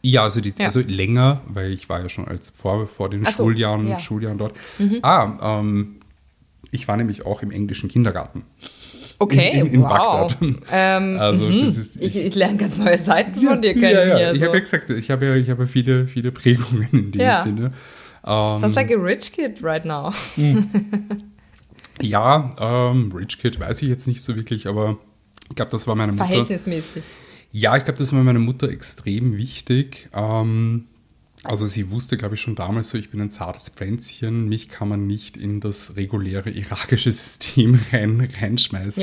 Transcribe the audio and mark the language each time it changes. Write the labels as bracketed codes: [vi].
[de] Ja, also die also länger, weil ich war ja schon als vor den Schuljahren dort. Mhm. Ich war nämlich auch im englischen Kindergarten. Okay, in wow. Bagdad. Also das ist, ich lerne ganz neue Seiten von dir kennen. Ja. Ich habe ja gesagt, ich habe viele, viele Prägungen in dem Sinne. [en] Sounds like a rich kid right now. [de] Ja, [en] rich kid [de] weiß ich jetzt nicht so wirklich, aber ich glaube, das war meiner Mutter. Verhältnismäßig. Ja, ich glaube, das war meiner Mutter extrem wichtig. Also sie wusste, glaube ich, schon damals so, ich bin ein zartes Pflänzchen, mich kann man nicht in das reguläre irakische System reinschmeißen.